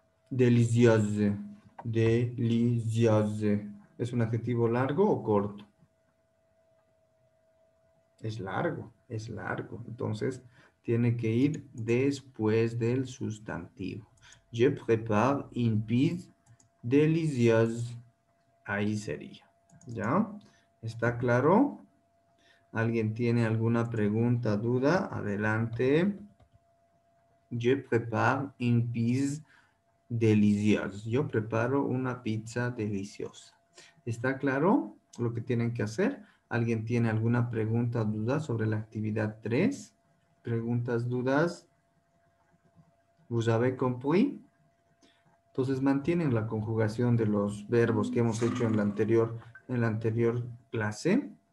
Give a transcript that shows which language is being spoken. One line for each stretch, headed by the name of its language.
Spanish: Delicioso, delicioso. ¿Es un adjetivo largo o corto? Es largo, es largo. Entonces, tiene que ir después del sustantivo.
French: Je prépare une pizza délicieuse.
Spanish: Ahí sería. ¿Ya? ¿Está claro? ¿Alguien tiene alguna pregunta, duda? Adelante.
French: Je prépare une pizza delicioso.
Spanish: Yo preparo una pizza deliciosa. ¿Está claro lo que tienen que hacer? ¿Alguien tiene alguna pregunta, duda sobre la actividad 3? ¿Preguntas, dudas?
French: ¿Vous avez compris?
Spanish: Entonces mantienen la conjugación de los verbos que hemos hecho en la anterior clase.